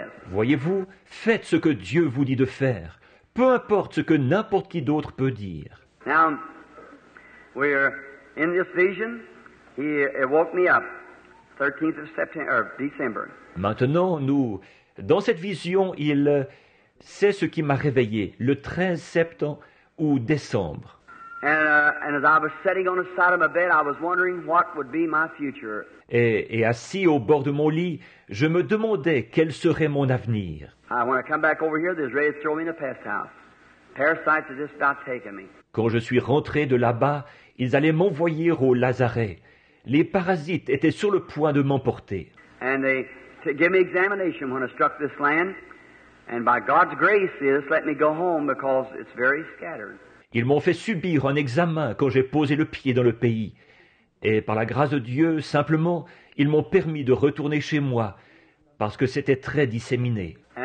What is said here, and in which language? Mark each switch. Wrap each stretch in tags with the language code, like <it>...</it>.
<fr>Voyez-vous, faites ce que Dieu vous dit de faire, peu importe ce que n'importe qui d'autre peut dire.</fr> <en>Now, we're in this vision. He woke me up, 13th of September, or December.</en> <fr>Maintenant, dans cette vision, c'est ce qui m'a réveillé, le 13 septembre ou décembre.</fr> <en>And as I was sitting on the side of my bed, I was wondering what would be my future.</en> <fr>Et assis au bord de mon lit, je me demandais quel serait mon avenir.</fr> <en>When I come back over here, they're ready to throw me in a pest house. Parasites are just about taking me.</en> <fr>Quand je suis rentré de là-bas, ils allaient m'envoyer au lazaret. Les parasites étaient sur le point de m'emporter.</fr> <en>And they gave me examination when I struck this land. And by God's grace, they just let me go home because it's very scattered.</en> <fr>Ils m'ont fait subir un examen quand j'ai posé le pied dans le pays. Et par la grâce de Dieu, simplement, ils m'ont permis de retourner chez moi, parce que c'était très disséminé.</fr>